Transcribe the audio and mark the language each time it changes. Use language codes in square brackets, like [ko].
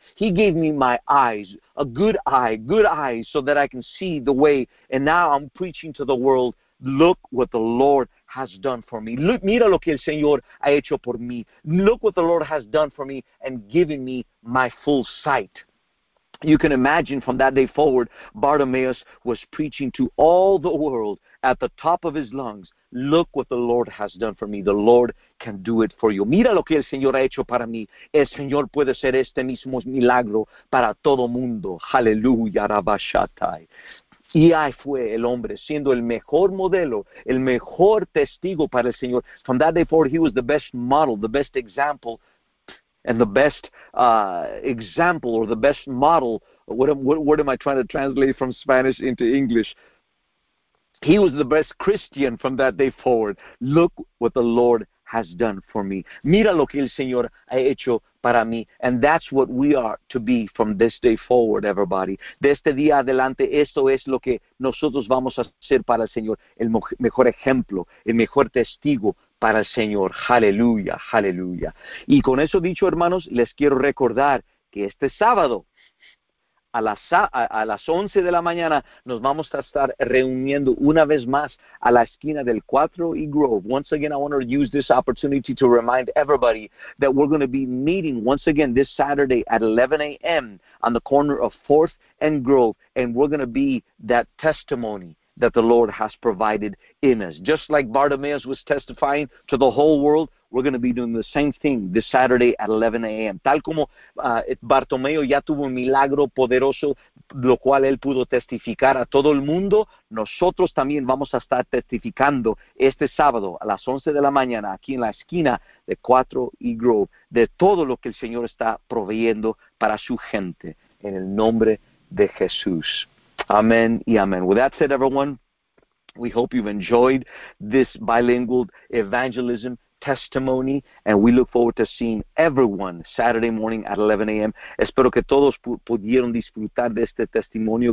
[en] He gave me my eyes, a good eye, good eyes, so that I can see the way. And now I'm preaching to the world, look what the Lord has done for me. [es] Look, mira lo que el Señor ha hecho por mí. [en] Look what the Lord has done for me and given me my full sight. You can imagine from that day forward, Bartimaeus was preaching to all the world at the top of his lungs. Look what the Lord has done for me. The Lord can do it for you. [es] Mira lo que el Señor ha hecho para mí. El Señor puede hacer este mismo milagro para todo mundo. Aleluya, Rabashatai. Y ahí fue el hombre, siendo el mejor modelo, el mejor testigo para el Señor. [en] From that day forward, he was the best model, the best example, and the best example, or the best model. What am I trying to translate from Spanish into English? He was the best Christian from that day forward. Look what the Lord has done for me. [es] Mira lo que el Señor ha hecho para mí. [en] And that's what we are to be from this day forward, everybody. [es] De este día adelante, esto es lo que nosotros vamos a hacer para el Señor. El mejor ejemplo, el mejor testigo para el Señor. Aleluya, aleluya. Y con eso dicho, hermanos, les quiero recordar que este sábado, A las 11 de la mañana nos vamos a estar reuniendo una vez más a la esquina del 4 y Grove. [en] Once again, I want to use this opportunity to remind everybody that we're going to be meeting once again this Saturday at 11 a.m. on the corner of 4th and Grove, and we're going to be that testimony that the Lord has provided in us. Just like Bartimaeus was testifying to the whole world, we're going to be doing the same thing this Saturday at 11 a.m. [es] Tal como Bartimeo ya tuvo un milagro poderoso, lo cual él pudo testificar a todo el mundo, nosotros también vamos a estar testificando este sábado a las 11 de la mañana aquí en la esquina de 4 y Grove de todo lo que el Señor está proveyendo para su gente en el nombre de Jesús. Amen y amen. [en] With that said, everyone, we hope you've enjoyed this bilingual evangelism testimony, and we look forward to seeing everyone Saturday morning at 11 a.m. [es] Espero que todos pudieron disfrutar de este testimonio.